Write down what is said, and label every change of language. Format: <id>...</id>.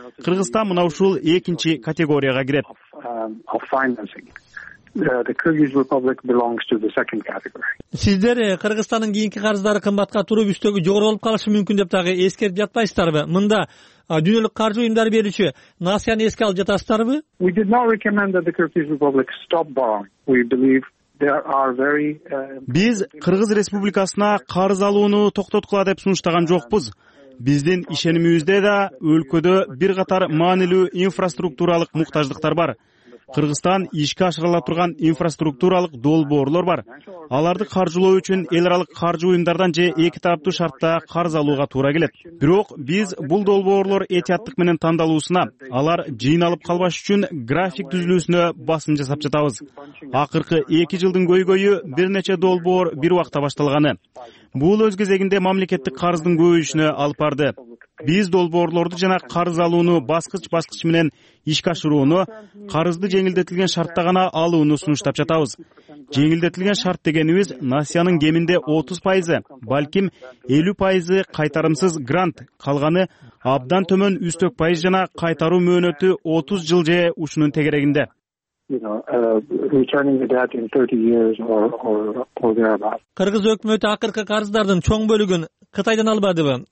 <ky>Кыргызстан мына ушул экинчи категорияга кирет. Сиздер Кыргызстандын кийинки карыздары кымбатка туруп үстөгү жогору болуп калышы мүмкүн деп дагы эскертип жатпайсыздарбы? Мында дүйнөлүк каржы уюмдары берүүчү насыяны эске алып жатасыздарбы?</ky> <en>We did not recommend that the Kyrgyz Republic stop borrowing. We believe</en> <ky>Биз Кыргыз Республикасына карыз алууну токтоткула деп сунуштаган жокпуз. Биздин ишенимибизде да өлкөдө бир катар маанилүү инфраструктуралык муктаждыктар бар. Кыргызстан ишке ашырыла турган инфраструктуралык долбоорлор бар. Аларды каржылоо үчүн эл аралык каржы уюмдардан же эки тараптуу шартта карыз алууга туура келет. Бирок биз бул долбоорлор этияттык менен тандалуусуна, алар жыйналып калбаш үчүн график түзүлүүсүнө басым жасап жатабыз. Акыркы 2 жылдын көйгөйү бир нече долбоор бир убакта башталганы. Бул өз кезегинде мамлекеттик карыздын көбөйүшүнө алып барды. Биз долбоорлорду жана карыз алууну баскыч-баскыч менен ишке ашырууну, карызды жеңилдетилген шартта гана алууну сунуштап жатабыз. Жеңилдетилген шарт дегенибиз насыянын кеминде 30%, балким 50% кайтарымсыз грант, калганы абдан төмөн 3-4% жана кайтаруу мөөнөтү 30 жыл же ушунун тегерегинде.</ky> <en>Returning the debt in 30 years or thereabouts.</en> <ky>Кыргыз өкмөтү акыркы карыздардын чоң бөлүгүн Кытайдан албадыбы?</ky>